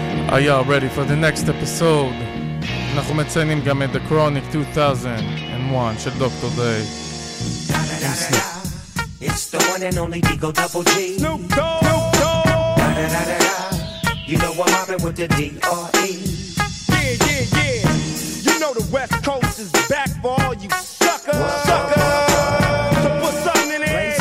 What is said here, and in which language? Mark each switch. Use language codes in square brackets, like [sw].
[en] Are y'all ready for the next episode? [he] אנחנו מציינים גם את The Chronic 2001 של דוקטור דיי. [en] It's the one and only Digo Double G. Snoop Dogg. Snoop Dogg. You know I'm mobbing with the D.R.E. Yeah. You know the West Coast is back for all you suckers. Whoa. Suckers. So put something in there.